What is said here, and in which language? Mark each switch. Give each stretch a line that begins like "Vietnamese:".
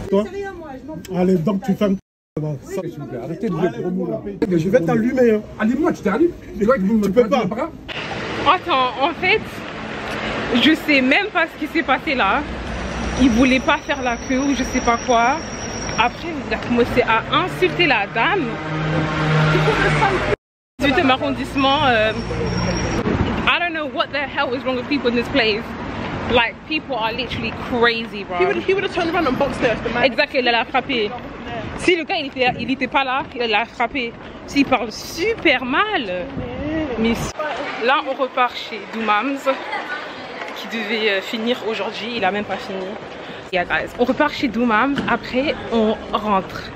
French: Toi? Allez, donc tu fermes. Arrêtez de gros mots là. Je vais t'allumer. Hein. Allume-moi, je t'allume. Tu peux pas. Attends, en fait, je sais même pas ce qui s'est passé là. Il voulait pas faire la queue ou je sais pas quoi. Après, il a commencé à insulter la dame. Du 8e arrondissement,
English: I don't know what the hell is wrong with people in this place. Like, people are literally crazy, bro. He would have turned around and boxed her if the man.
French: Exactly, elle l'a frappé. Si le gars il était pas là, elle l'a frappé. S'il parle super mal. Mais là, on repart chez Doumams, qui devait finir aujourd'hui. Il a même pas fini.
English: Yeah, guys.
French: On repart chez Doumams, après, on rentre.